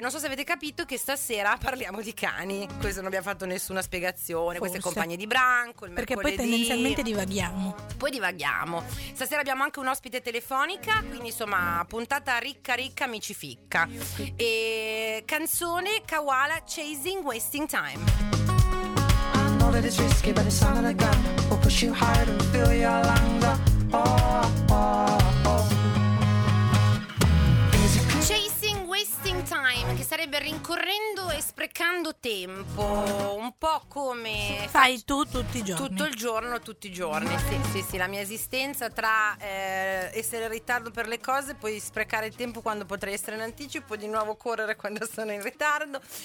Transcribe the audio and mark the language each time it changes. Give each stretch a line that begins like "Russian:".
Italian: Non so se avete capito che stasera parliamo di cani. Questo non abbiamo fatto nessuna spiegazione. Forse. Queste compagne di branco, il perché mercoledì. Perché poi tendenzialmente divaghiamo. Poi divaghiamo. Stasera abbiamo anche un ospite telefonica, quindi insomma, puntata ricca ricca, mi ci ficca. E canzone Kawala, Chasing Wasting Time.
English: I know that it's risky, but it's sound of the gun. We'll push you hard and fill your lungs up. Oh, oh, oh.
Italian: Chasing Wasting Time, che sarebbe rincorrendo e sprecando tempo, un po' come fai tu tutti i giorni. Tutto il giorno, tutti i giorni, sì, la mia esistenza tra essere in ritardo per le cose, poi sprecare il tempo quando potrei essere in anticipo, di nuovo correre quando sono in ritardo.